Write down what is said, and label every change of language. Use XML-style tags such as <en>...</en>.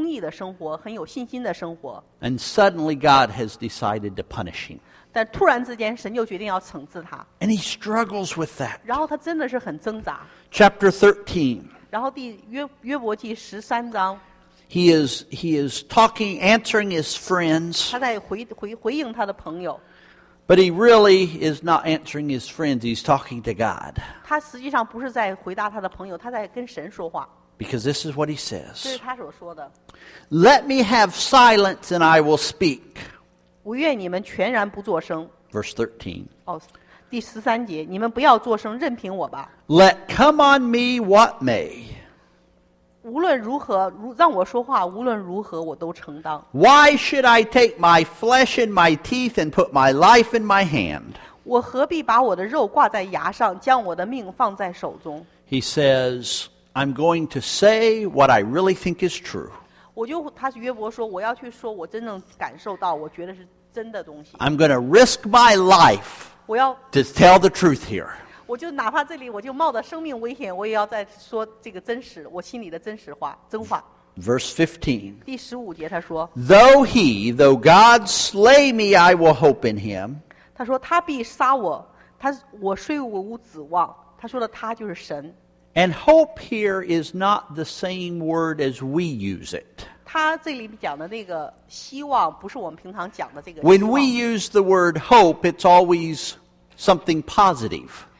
<zh>他过一个很公义的生活，很有信心的生活。</zh> <en>And suddenly God has decided to punish him.</en> <zh>但突然之间神就决定要惩治他。</zh> <en>And he struggles with that.</en> <zh>然后他真的是很挣扎。</zh> <en>Chapter 13.</en> <zh>然后约伯记13章。</zh> <en>He is talking, answering his friends.</en> <zh>他在回应他的朋友。</zh> <en>But he really is not answering his friends. He's talking to God.</en> <zh>他实际上不是在回答他的朋友, 他在跟神说话。</zh> <en>Because this is what he says.</en> <zh>这是他所说的。</zh> <en>Let me have silence and I will speak.</en> <zh>我愿你们全然不作声。</zh> <en>Verse 13.</en> <zh>第13节, 你们不要作声, 任凭我吧。</zh> <en>Let come on me what may.</en> <zh>无论如何, 让我说话, 无论如何, 我都承当。</zh> <en>Why should I take my flesh and my teeth and put my life in my hand?</en> <zh>我何必把我的肉挂在牙上, 将我的命放在手中?</zh> <en>He says, I'm going to say what I really think is true.</en> <zh>他约伯说, 我要去说, 我真正感受到, 我觉得是真的东西。</zh> <en>I'm going to risk my life</en> <zh>我要,</zh> <en>to tell the truth here.</en> <zh>我就哪怕这里我就冒着生命危险，我也要再说这个真实，我心里的真实话，真话。</zh> <en>Verse 15.</en> <zh>第15节他说，</zh> <en>Though God slay me, I will hope in Him.</en> <zh>他说他必杀我，他我虽无指望。他说的他就是神。</zh> <en>And hope here is not the same word as we use it.</en> <zh>他这里讲的那个希望，不是我们平常讲的这个。</zh> <en>When we use the word hope, it's always something positive.</en>